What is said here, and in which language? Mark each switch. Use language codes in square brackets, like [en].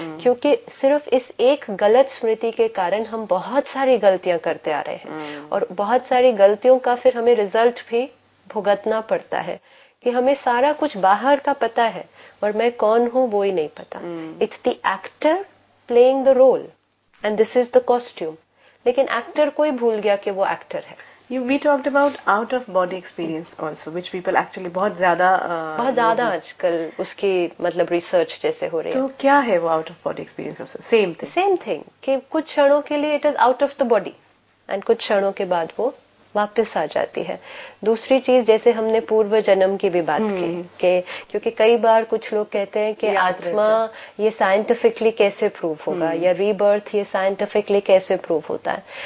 [hi] क्योंकि सिर्फ इस एक गलत स्मृति के कारण हम बहुत सारी गलतियां करते आ रहे हैं, और बहुत सारी गलतियों का फिर हमें रिजल्ट भी भुगतना पड़ता है, कि हमें सारा कुछ बाहर का पता है और मैं कौन हूँ वो ही नहीं पता. [en] it's the actor playing the role and this is the costume, [hi] लेकिन एक्टर को ही भूल गया कि वो एक्टर है. [en] We talked about out of body experience also, which people actually [hi] बहुत ज्यादा आजकल उसकी मतलब रिसर्च जैसे हो रही है. तो क्या है वो [en] out of body experience also? Same thing. [hi] कि कुछ क्षणों के लिए [en] it is out of the body, and [hi] कुछ क्षणों के बाद वो वापस आ जाती है. दूसरी चीज, जैसे हमने पूर्व जन्म की भी बात की, कि क्योंकि कई बार कुछ लोग कहते हैं कि आत्मा ये साइंटिफिकली कैसे प्रूव होगा, या रीबर्थ ये साइंटिफिकली कैसे प्रूव होता है.